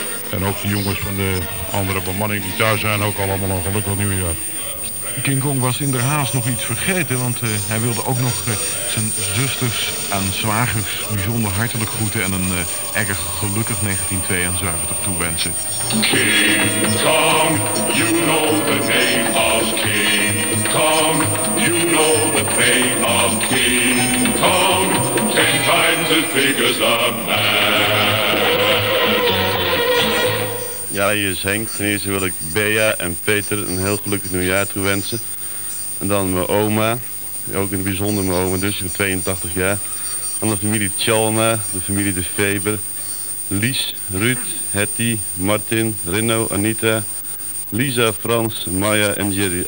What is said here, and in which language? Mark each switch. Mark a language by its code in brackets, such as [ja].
[nl] En ook de jongens van de andere bemanning die thuis zijn, ook allemaal een gelukkig nieuwjaar. King Kong was inderhaast nog iets vergeten, want hij wilde ook nog zijn zusters en zwagers bijzonder hartelijk groeten en een erg gelukkig 1972 toewensen. [en] King Kong, you know the name of King Kong, you know the fame of King Kong, 10 times as big as a man. [nl] Ja, hier is Henk. Ten eerste wil ik Bea en Peter een heel gelukkig nieuwjaar toewensen. En dan mijn oma, ook in het bijzonder mijn oma, dus van 82 jaar. Dan de familie Tjalma, de familie De Veber, Lies, Ruud, Hetty, Martin, Rino, Anita, Lisa, Frans, Maya en Jerry.